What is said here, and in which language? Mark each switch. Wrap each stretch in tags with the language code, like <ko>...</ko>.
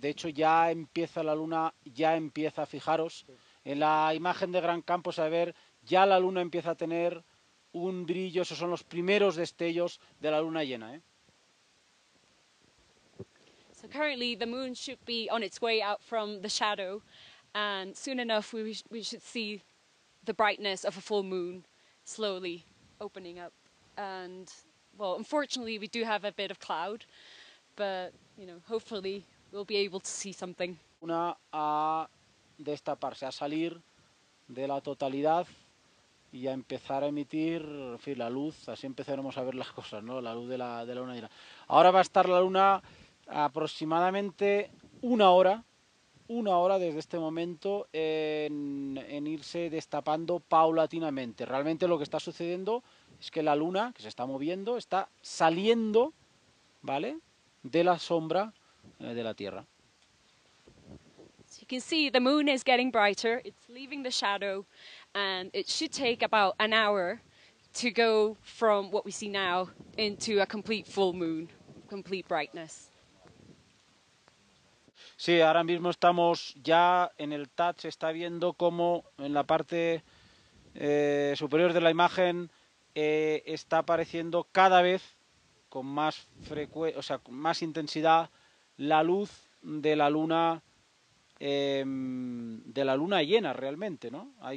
<es>De hecho, ya empieza la luna, ya empieza, fijaros, en la imagen de Gran Campo, a ver, ya la luna empieza a tener un brillo, esos son los primeros destellos de la luna llena, ¿eh?</es> <en>So currently the moon should be on its way out from the shadow, and soon enough we should see the brightness of a full moon slowly opening up. And well, unfortunately, we do have a bit of cloud, but, you know, hopefully we'll be able to see something.</en> <es>Una a destaparse, a salir de la totalidad y a empezar a emitir, en fin, la luz. Así empezaremos a ver las cosas, ¿no? La luz de la luna llena. Ahora va a estar la luna aproximadamente una hora desde este momento en irse destapando paulatinamente. Realmente lo que está sucediendo es que la luna, que se está moviendo, está saliendo, ¿vale?, de la sombra de la Tierra.</es> <en>So you can see the moon is getting brighter, it's leaving the shadow, and it should take about an hour to go from what we see now into a complete full moon, complete brightness.</en> <es>Sí, ahora mismo estamos ya en el touch, se está viendo cómo en la parte superior de la imagen está apareciendo cada vez con más frecuencia, o sea, con más intensidad, la luz de la luna llena realmente, ¿no?</es>